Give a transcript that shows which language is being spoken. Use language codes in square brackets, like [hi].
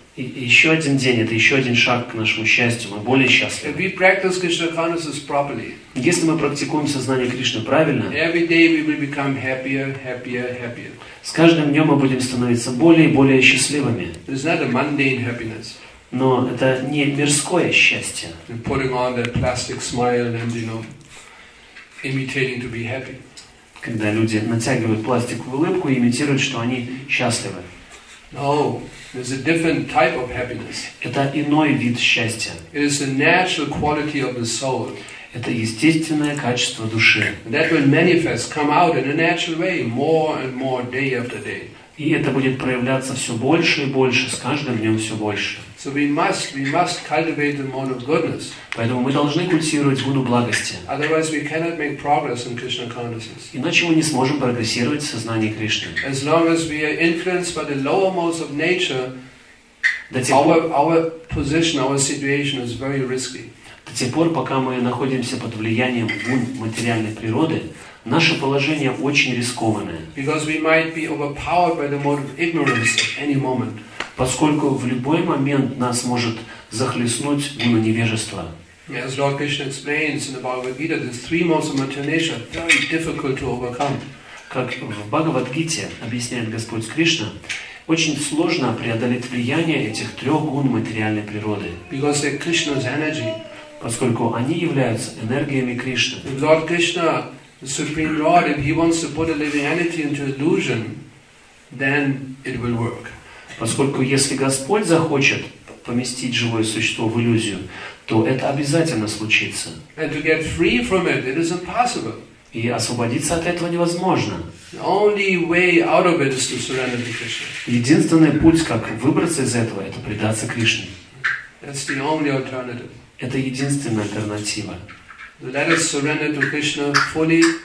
[ru] И еще один день, это еще один шаг к нашему счастью, мы более счастливы. [en] If we practice Krishna consciousness properly, [ru] если мы практикуем сознание Кришны правильно, [en] every day we will become happier, happier, happier. [ru] С каждым днем мы будем становиться более и более счастливыми. [en] It's not a mundane happiness. [ru] Но это не мирское счастье. [en] And putting on that plastic smile and, you know, imitating to be happy. [ru] Когда люди натягивают пластиковую улыбку и имитируют, что они счастливы. [en] No, there's a different type of happiness. [ru] Это иной вид счастья. [en] It is a natural quality of the soul. [ru] Это естественное качество души. [en] And that will manifest, come out in a natural way, more and more day after day. [ru] И это будет проявляться все больше и больше, с каждым днем все больше. [en] So we must cultivate the mode of goodness. [ru] Поэтому мы должны культивировать гуну благости. [en] Otherwise, we cannot make progress in Krishna consciousness. [ru] Иначе мы не сможем прогрессировать в сознании Кришны. [en] As long as we are influenced by the lower modes of nature, our position, our situation is very risky. [ru] До тех пор, пока мы находимся под влиянием гун материальной природы, наше положение очень рискованное. [en] Because we might be overpowered by the mode of ignorance at any moment. [ru] Поскольку в любой момент нас может захлестнуть гуна невежества. [en] As Lord Krishna explains in the Bhagavad Gita, the three modes of material nature are very difficult to overcome. [ru] Как в Бхагавадгите объясняет Господь Кришна, очень сложно преодолеть влияние этих трех гун материальной природы. [en] Because they're Krishna's energy. [ru] Поскольку они являются энергиями Кришны. [en] If Lord Krishna, the Supreme Lord, if he wants to put a living entity into illusion, then it will work. [ru] Поскольку если Господь захочет поместить живое существо в иллюзию, то это обязательно случится. [en] And to get free from it, it is impossible. [ru] И освободиться от этого невозможно. [en] The only way out of it is to surrender to Krishna. [ru] Единственный путь, как выбраться из этого, это предаться Кришне. [en] That's the only alternative. [ru] Это единственная альтернатива. [en] Let us surrender to Krishna fully.